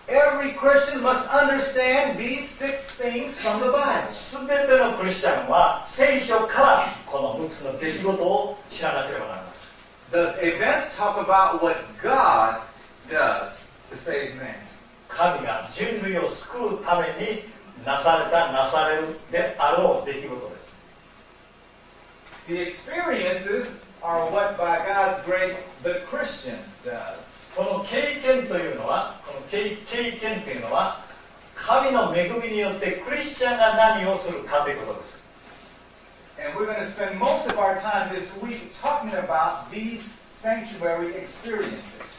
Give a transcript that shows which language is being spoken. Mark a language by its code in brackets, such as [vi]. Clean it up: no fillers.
[en] Every Christian must understand these six things from the Bible. [ja] 全てのクリスチャンは聖書からこの6つの出来事を知らなければならない。 [en] The events talk about what God does to save man. [ja] 神が人類を救うためになされた、なされるであろう出来事です。 [en] The experiences are what by God's grace the Christian does. [ja] この経験というのは、神の恵みによってクリスチャンが何をするかということです。 [en] And we're going to spend most of our time this week talking about these sanctuary experiences.